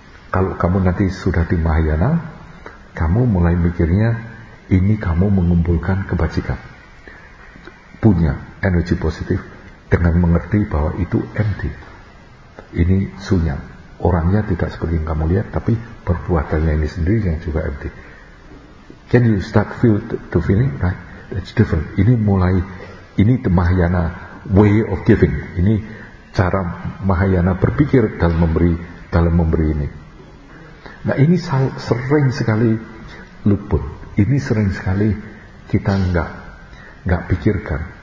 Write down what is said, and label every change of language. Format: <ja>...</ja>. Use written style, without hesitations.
<id>Kalau kamu nanti sudah di Mahayana, kamu mulai mikirnya ini kamu mengumpulkan kebajikan, punya energi positif, dengan mengerti bahwa itu empty, ini sunyam, orangnya tidak seperti yang kamu lihat, tapi perbuatannya ini sendiri yang juga empty.</id> <en>Can you start feel to feeling? Right? That's different.</en> <id>Ini mulai, ini</id> <en>the Mahayana way of giving.</en> <id>Ini cara Mahayana berpikir dalam memberi ini. Nah, ini sering sekali luput. Ini sering sekali kita enggak pikirkan.</id>